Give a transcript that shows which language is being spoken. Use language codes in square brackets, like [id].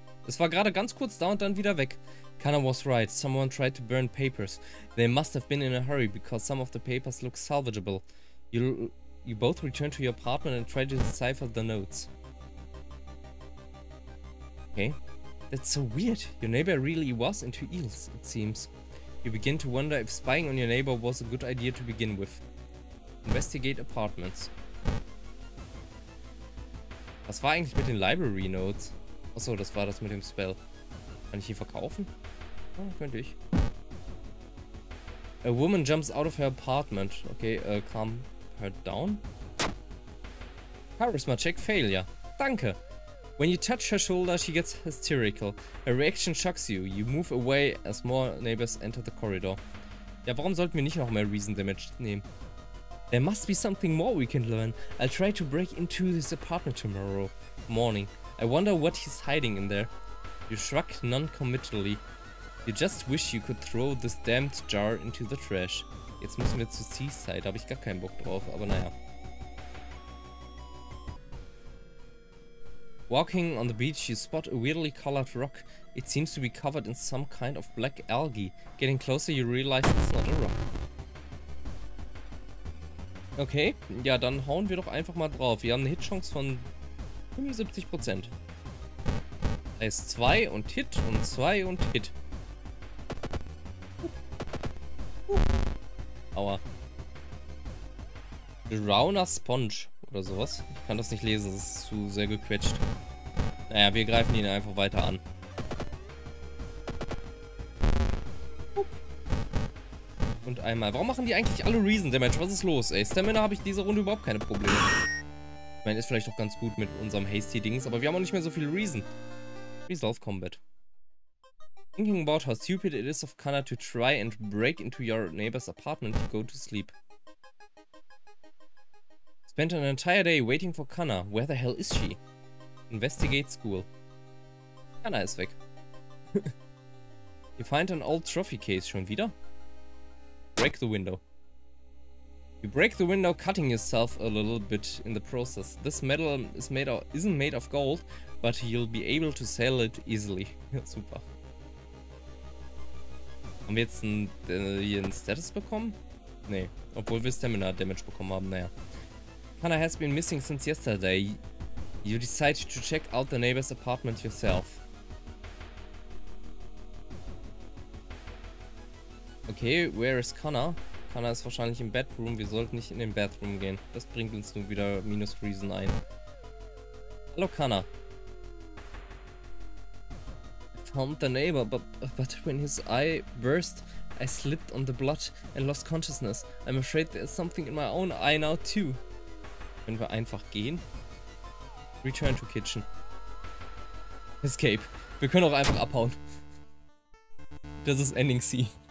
[de] Es war gerade ganz kurz da und dann wieder weg. [en] Kana was right. Someone tried to burn papers. They must have been in a hurry because some of the papers look salvageable. You both return to your apartment and try to decipher the notes. Okay. That's so weird. Your neighbor really was into eels, it seems. You begin to wonder if spying on your neighbor was a good idea to begin with. Investigate apartments. [de] Was war eigentlich mit den Library Notes? Achso, das war das mit dem Spell. Kann ich hier verkaufen? Ja, könnte ich. [en] A woman jumps out of her apartment. Okay, calm her down. Charisma check failure. [de] Danke! [en] When you touch her shoulder, she gets hysterical. Her reaction shocks you. You move away as more neighbors enter the corridor. [de] Ja, warum sollten wir nicht noch mehr Reason Damage nehmen? [en] There must be something more we can learn. I'll try to break into this apartment tomorrow morning. I wonder what he's hiding in there. You shrug non-committally. You just wish you could throw this damned jar into the trash. [de] Jetzt müssen wir zu Seaside. Da habe ich gar keinen Bock drauf, aber naja. [en] Walking on the beach, you spot a weirdly colored rock. It seems to be covered in some kind of black algae. Getting closer, you realize it's not a rock. [de] Okay, ja, dann hauen wir doch einfach mal drauf. Wir haben eine Hitchance von 75%. Da ist 2 und Hit und 2 und Hit. Aua. Drowner Sponge oder sowas. Ich kann das nicht lesen, das ist zu sehr gequetscht. Naja, wir greifen ihn einfach weiter an. Und einmal. Warum machen die eigentlich alle Reason Damage? Was ist los, ey? Stamina habe ich diese Runde überhaupt keine Probleme. Ich meine, ist vielleicht doch ganz gut mit unserem Hasty-Dings, aber wir haben auch nicht mehr so viel Reason. [en] Resolve Combat. Thinking about how stupid it is of Kana to try and break into your neighbor's apartment to go to sleep. Spent an entire day waiting for Kana. Where the hell is she? Investigate school. [de] Kana ist weg. [en] You find an old trophy case. [de] Schon wieder? [en] Break the window. You break the window, cutting yourself a little bit in the process. This metal isn't made of gold, but you'll be able to sell it easily. [de] Super. Haben wir jetzt einen Status bekommen? Nee. Obwohl wir Stamina Damage bekommen haben, naja. [en] Kana has been missing since yesterday. You decide to check out the neighbor's apartment yourself. Okay, where is Kana? [de] Kana ist wahrscheinlich im Bedroom. Wir sollten nicht in den Bathroom gehen. Das bringt uns nun wieder minus Reason ein. Hallo Kana. [en] I found the neighbor, but when his eye burst, I slipped on the blood and lost consciousness. I'm afraid there's something in my own eye now too. [de] Können wir einfach gehen? [en] Return to kitchen. Escape. [de] Wir können auch einfach abhauen. Das ist Ending C.